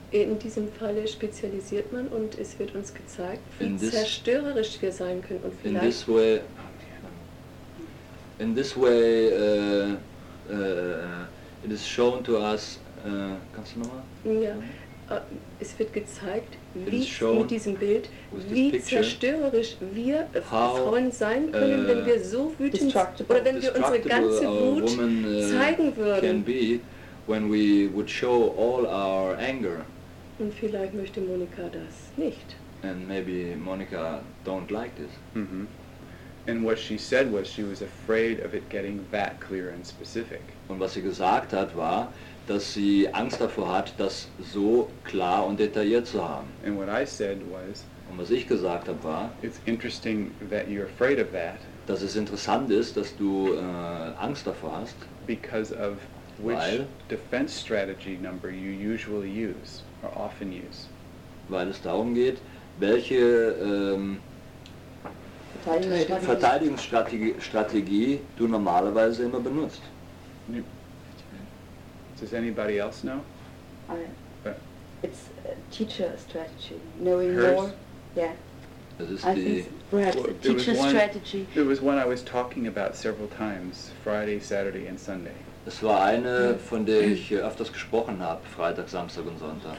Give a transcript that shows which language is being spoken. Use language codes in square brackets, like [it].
[de] In diesem Falle spezialisiert man und es wird uns gezeigt, wie zerstörerisch wir sein können und vielleicht... [en] In this way, it is shown to us. [de] Kannst du nochmal? Ja, es wird gezeigt, wie mit diesem Bild, wie zerstörerisch wir Frauen sein können, wenn wir so wütend oder wenn wir unsere ganze Wut zeigen würden. [en] Can be when we would show all our anger. [de] Und vielleicht möchte Monika das nicht. [en] And maybe Monika don't like this. Mm-hmm. And what she said was she was afraid of it getting that clear and specific. [de] Und was sie gesagt hat war, dass sie Angst davor hat, das so klar und detailliert zu haben. [en] And what I said was, [de] und was ich gesagt habe war, [en] it's interesting that you're afraid of that. [de] Dass es interessant ist, dass du Angst davor hast. [en] Because of which defense strategy number you usually use or often use. [de] Weil es darum geht, welche Verteidigungsstrategie du normalerweise immer benutzt. [en] Does anybody else know? It's a teacher strategy, knowing hers? More. Yeah. Is this I think perhaps a teacher strategy. It was one I was talking about several times, Friday, Saturday and Sunday. [de] Es war eine, von der ich öfters gesprochen habe, Freitag, Samstag und Sonntag.